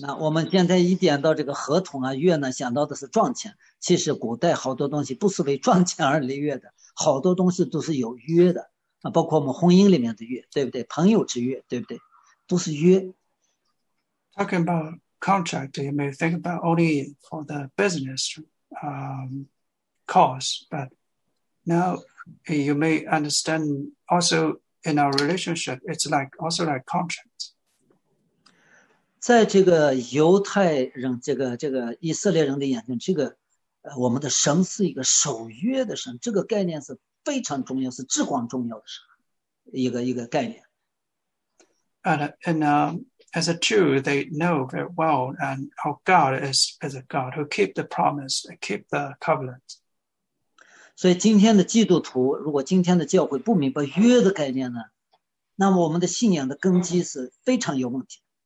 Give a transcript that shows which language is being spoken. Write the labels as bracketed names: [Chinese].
[Chinese] 那我们现在一点到这个合同啊，约呢，想到的是赚钱。其实古代好多东西不是为赚钱而立约的，好多东西都是有约的，包括我们婚姻里面的约，对不对？朋友之约，对不对？都是约。 [English] Talking about contract, you may think about only for the business, cause, but now you may understand also in our relationship, it's like also like contract. [Chinese] 在这个犹太人这个以色列人的眼中，这个我们的神是一个守约的神，这个概念是非常重要，是至关重要的神，一个概念。 [English] And as a Jew, they know very well, and how God is a God who keep the promise, keep the covenant. [Chinese] 所以今天的基督徒，如果今天的教会不明白约的概念呢，那么我们的信仰的根基是非常有问题。